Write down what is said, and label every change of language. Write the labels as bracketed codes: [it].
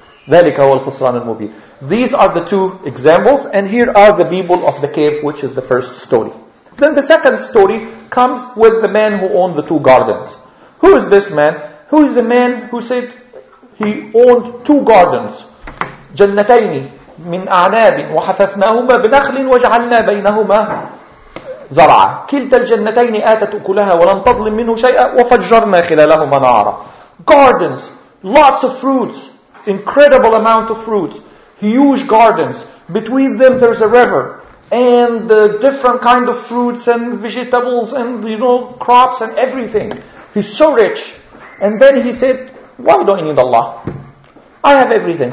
[ar] ذَلِكَ وَالْخُسْرَانُ الْمُبِينُ. [en] These are the two examples. And here are the people of the cave, which is the first story. Then the second story comes with the man who owned the two gardens. Who is this man? Who is the man who said he owned two gardens? [ar] جَنَّتَيْنِ مِنْ أَعْنَابٍ وَحَفَفْنَاهُمَا بِنَخْلٍ وَجَعَلْنَا بَيْنَهُمَا زرع كلتا الجنتين آتت أكلها ولم تظلم منه شيئا وفجرنا خلالهما نارا. [en] Gardens, lots of fruits, incredible amount of fruits, huge gardens. Between them there's a river, and the different kind of fruits and vegetables and crops and everything. He's so rich. And then he said, why do I need Allah? I have everything.